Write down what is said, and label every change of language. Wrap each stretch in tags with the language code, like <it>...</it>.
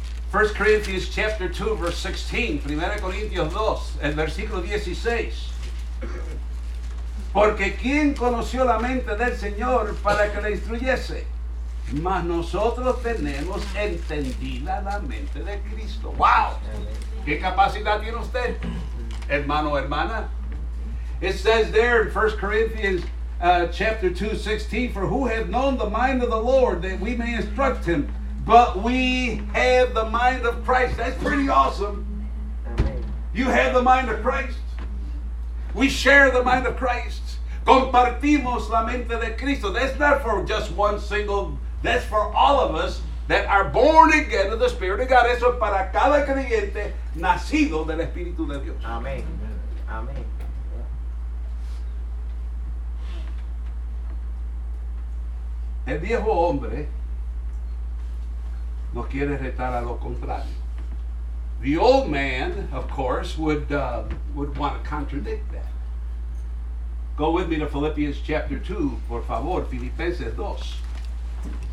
<en>First Corinthians chapter 2, verse 16.</en> <es>Primera Corintios 2, el versículo 16. Porque ¿quién conoció la mente del Señor para que le instruyese? Mas nosotros tenemos entendida la mente de Cristo. ¡Wow! ¿Qué capacidad tiene usted, hermano o hermana?</es> <en>It says there in 1 Corinthians chapter 2, 16, for who hath known the mind of the Lord that we may instruct him? But we have the mind of Christ. That's pretty awesome. Amen. You have the mind of Christ. We share the mind of Christ.</en> <es>Compartimos la mente de Cristo.</es> <en>That's not for just one single, that's for all of us that are born again of the Spirit of God.</en> <es>Eso es para cada creyente nacido del Espíritu de Dios.</es> <en>Amen. Amen.</en> <es>El viejo hombre no quiere retar a lo contrario.</es> <en>The old man, of course, would want to contradict that. Go with me to Philippians chapter 2, por favor, Filipenses 2.</en>